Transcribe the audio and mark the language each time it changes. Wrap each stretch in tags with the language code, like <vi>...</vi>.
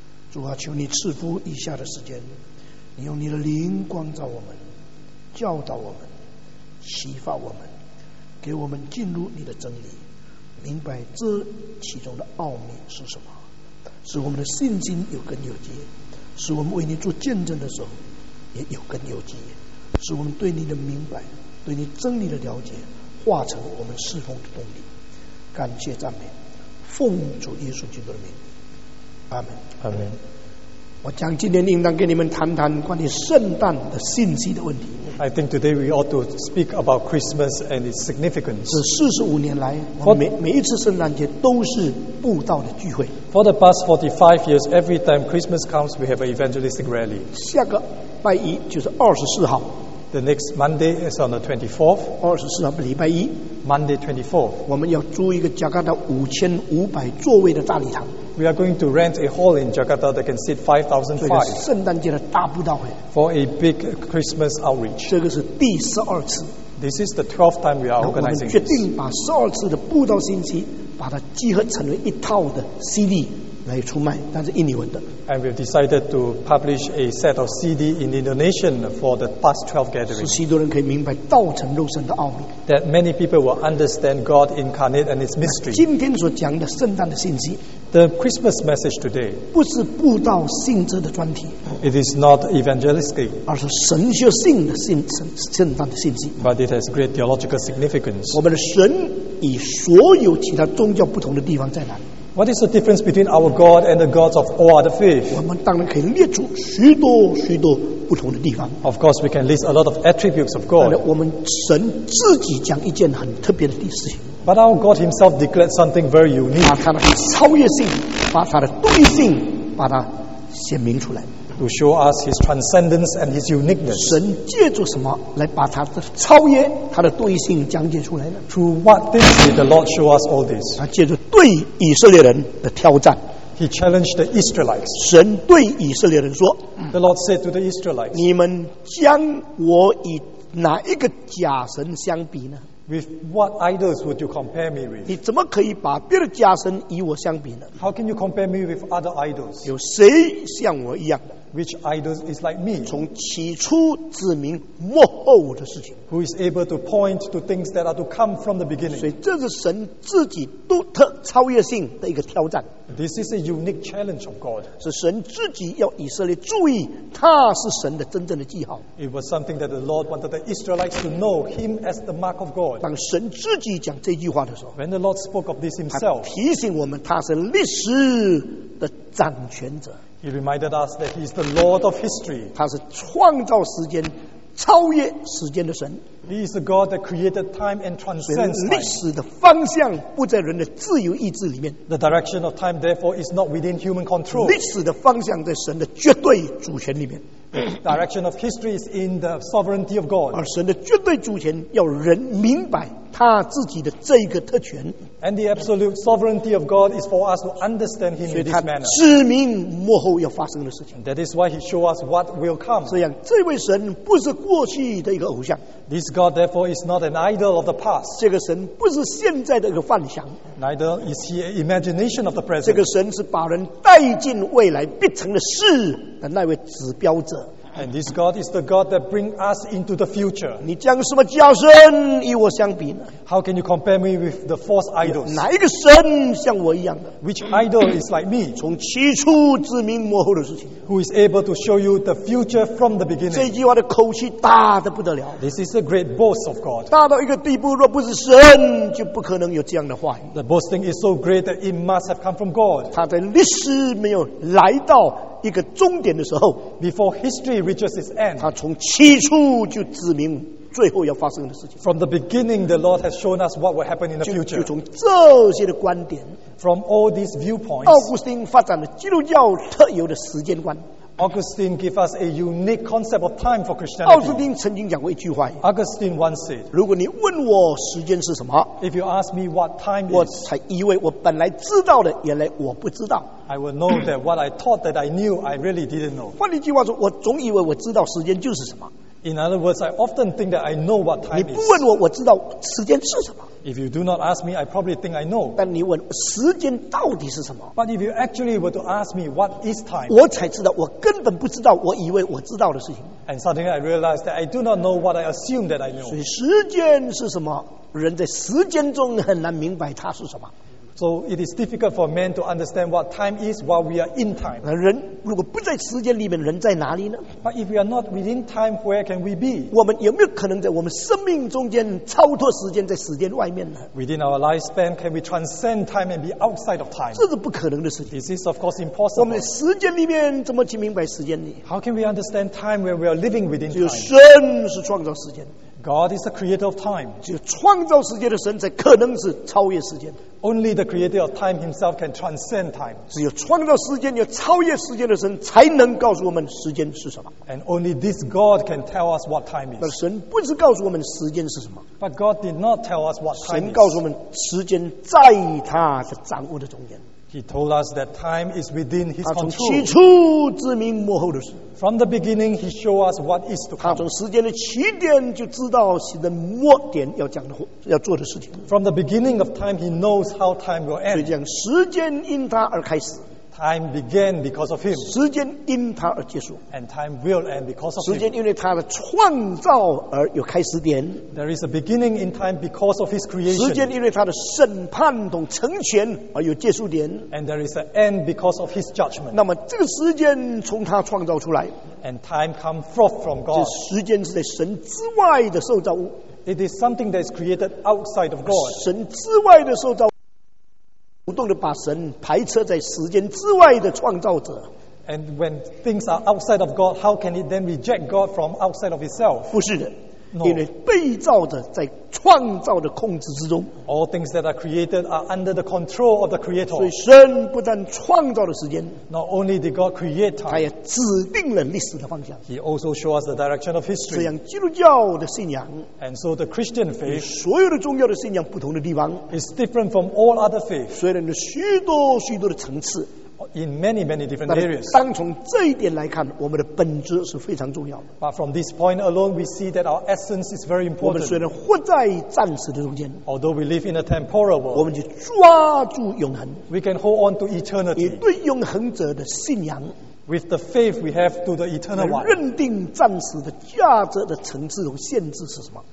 <zh>主啊，求你赐福以下的时间，你用你的灵光照我们，教导我们，启发我们，给我们进入你的真理，明白这其中的奥秘是什么，使我们的信心有根有基，使我们为你做见证的时候也有根有基，使我们对你的明白，对你真理的了解化成我们侍奉的动力。感谢赞美，奉主耶稣基督的名，阿们阿们。我将今天应当跟你们谈谈关于圣诞的信息的问题。</zh> <en>I think today we ought to speak about Christmas and its significance.</en> <zh>这45年来，我每一次圣诞节都是布道的聚会。</zh> <en>For the past 45 years, every time Christmas comes, we have an evangelistic rally.</en> <zh>下个拜一就是24号。</zh> <en>The next Monday is on the 24th.</en> <zh>24号礼拜一。</zh> <en>Monday 24th.</en> <zh>我们要租一个加拿大5500座位的大礼堂。</zh> <en>We are going to rent a hall in Jakarta that can seat 5,500.</en> <zh>圣诞节的大布道会。</zh> <en>For a big Christmas outreach.</en> <zh>这个是第十二次。</zh> <en>This is the 12th time we are organizing.</en> <zh>我们决定把十二次的布道信息把它集合成为一套的 CD 来出卖，但是印尼文的。</zh> <en>And we've decided to publish a set of CD in Indonesian for the past 12 gatherings.</en> <zh>使许多人可以明白道成肉身的奥秘。</zh> <en>That many people will understand God incarnate and its mystery.</en> <zh>今天所讲的圣诞的信息。</zh> <en>The Christmas message today.</en> <zh>不是布道信者的专题。</zh> <en>It is not evangelistic.</en> <zh>而是神学性的圣诞的信息。</zh> <en>But it has great theological significance.</en> <zh>我们的神与所有其他宗教不同的地方在哪里？</zh> <en>What is the difference between our God and the gods of all other faith?</en> <zh>我们当然可以列出许多许多不同的地方。</zh> <en>Of course, we can list a lot of attributes of God.</en> <zh>但我们神自己讲一件很特别的事情。</zh> <en>But our God Himself declared something very unique.</en> <zh>把他的超越性，把他的独一性，把它显明出来。</zh> <en>To show us His transcendence and His uniqueness.</en> <zh>神借助什么来把他的超越、他的独一性讲解出来呢？</zh> <en>Through what things did the Lord show us all this?</en> <zh>他借助对以色列人的挑战。</zh> <en>He challenged the Israelites.</en> <zh>神对以色列人说</zh> <en>The Lord said to the Israelites,</en> <zh>你们将我与哪一个假神相比呢？</zh> <en>With what idols would you compare me with?</en> <zh>你怎么可以把别的假神与我相比呢？</zh> <en>How can you compare me with other idols?</en> <zh>有谁像我一样的？</zh> <en>Which idols is like me?</en> <zh>从起初指明幕后的事情。</zh> <en>Who is able to point to things that are to come from the beginning?</en> <zh>所以这是神自己独特超越性的一个挑战。</zh> <en>This is a unique challenge of God.</en> <zh>是神自己要以色列注意，他是神的真正的记号。</zh> <en>It was something that the Lord wanted the Israelites to know Him as the mark of God.</en> <zh>当神自己讲这句话的时候</zh> <en>，When the Lord spoke of this Himself,</en> <zh>他提醒我们他是历史的掌权者。</zh> <en>He reminded us that He is the Lord of history.</en> <zh>他是创造时间、超越时间的神。</zh> <en>He is the God that created time and transcends time.</en> <zh>历史的方向不在人的自由意志里面。</zh> <en>The direction of time, therefore, is not within human control.</en> <zh>历史的方向在神的绝对主权里面。</zh> <en>The direction of history is in the sovereignty of God.</en> <zh>而神的绝对主权要人明白他自己的这个特权。</zh> <en>And the absolute sovereignty of God is for us to understand Him in this manner.</en> <zh>指明幕后要发生的事情。</zh> <en>That is why He showed us what will come.</en> <zh>这样，这位神不是过去的一个偶像。</zh> <en>This God, therefore, is not an idol of the past.</en> <zh>这个神不是现在的一个幻想。</zh> <en>Neither is He an imagination of the present.</en> <zh>这个神是把人带进未来必成的事的那位指标者。</zh> <en>And this God is the God that brings us into the future.</en> <zh>你将什么假神与我相比呢？</zh> <en>How can you compare me with the false idols?</en> <zh>哪一个神像我一样的？</zh> <en>Which idol is like me?</en> <zh>从起初指明幕后的事情。</zh> <en>Who is able to show you the future from the beginning?</en> <zh>这句话的口气大得不得了。</zh> <en>This is a great boast of God.</en> <zh>大到一个地步，若不是神，就不可能有这样的话语。</zh> <en>The boasting is so great that it must have come from God.</en> <zh>他的历史没有来到一个终点的时候</zh> <en>，Before history reaches its end，</en> <zh>他从起初就指明最后要发生的事情。</zh> <en>From the beginning, the Lord has shown us what will happen in the future.</en> <zh>就从这些的观点</zh> <en>，From all these viewpoints，</en> <zh>奥古斯丁发展了基督教特有的时间观。</zh> <en>Augustine gave us a unique concept of time for Christianity.</en> <zh>奥古斯丁曾经讲过一句话。</zh> <en>Augustine once said，</en> <zh>如果你问我时间是什么</zh> <en>，If you ask me what time is，</en> <zh>我才以为我本来知道的，原来我不知道。</zh> <en>I will know that what I thought that I knew, I really didn't know.</en> <zh>换一句话说，我总以为我知道时间就是什么。</zh> <en>In other words, I often think that I know what time is.</en> <zh>你不问我，我知道时间是什么。</zh> <en>If you do not ask me, I probably think I know.</en> <zh>但你问时间到底是什么</zh> <en>？But if you actually were to ask me what is time,</en> <zh>我才知道我根本不知道我以为我知道的事情。</zh> <en>And suddenly I realized that I do not know what I assume that I know.</en> <zh>所以时间是什么？人在时间中很难明白它是什么。</zh> <en>So it is difficult for men to understand what time is while we are in time.</en> <zh>人如果不在时间里面，人在哪里呢</zh> <en>？But if we are not within time, where can we be?</en> <zh>我们有没有可能在我们生命中间超脱时间，在时间外面呢</zh> <en>？Within our lifespan, can we transcend time and be outside of time?</en> <zh>这是不可能的事情。</zh> <en>This is of course impossible.</en> <zh>我们在时间里面怎么去明白时间呢</zh> <en>？How can we understand time when we are living within time?</en> <zh>只有神是创造时间。</zh> <en>God is the creator of time.</en> <zh>只有创造世界的神才可能是超越时间。</zh> <en>Only the creator of time himself can transcend time.</en> <zh>只有创造时间、有超越时间的神才能告诉我们时间是什么。</zh> <en>And only this God can tell us what time is.</en> <zh>但神不是告诉我们时间是什么。</zh> <en>But God did not tell us what time is.</en> <zh>神告诉我们时间在他的掌握的中间。</zh> <en>He told us that time is within His control.</en> <zh>他从起初指明幕后的事。</zh> <en>From the beginning, He showed us what is to come.</en> <zh>他从时间的起点就知道神的末点要讲的、要做的事情。</zh> <en>From the beginning of time, He knows how time will end.</en> <zh>所以讲时间因他而开始。</zh> <en>Time began because of Him.</en> <zh>时间因他而结束。</zh> <en>And time will end because of Him.</en> <zh>时间因为他的创造而有开始点。</zh> <en>There is a beginning in time because of His creation.</en> <zh>时间因为他的审判同成全而有结束点。</zh> <en>And there is an end because of His judgment.</en> <zh>那么这个时间从他创造出来。</zh> <en>And time come forth from God.</en> <zh>这时间是在神之外的受造物。</zh> <en>It is something that is created outside of God.</en> <zh>神之外的受造物。不动地把神排斥在时间之外的创造者。</zh> <en>And when things are outside of God, how can it then reject God from outside of itself?</en> <zh>不是的、</zh> <en>no.</en> <zh>因为被造者在创造的控制之中。</zh> <en>All things that are created are under the control of the Creator.</en> <zh>所以神不但创造了时间。</zh> <en>Not only did God create time.</en> <zh>他也指定了历史的方向。</zh> <en>He also showed us the direction of history.</en> <zh>这样基督教的信仰。</zh> <en>And so the Christian faith.</en> <zh>与所有的宗教的信仰不同的地方。</zh> <en>Is different from all other faith.</en> <zh>虽然有许多许多的层次。</zh> <en>in many, many different areas.</en> <zh>但从这一点来看，我们的本质是非常重要的。</zh> <en>But from this point alone, we see that our essence is very important.</en> <zh>我们虽然活在暂时的中间，</zh> <en>although we live in a temporal world,</en> <zh>我们就抓住永恒。</zh> <en>We can hold on to eternity.</en> <zh>以对永恒者的信仰。</zh> <en>With the faith we have to the eternal one,</en> <zh>认定暂时的价值的层次和限制是什么？</zh>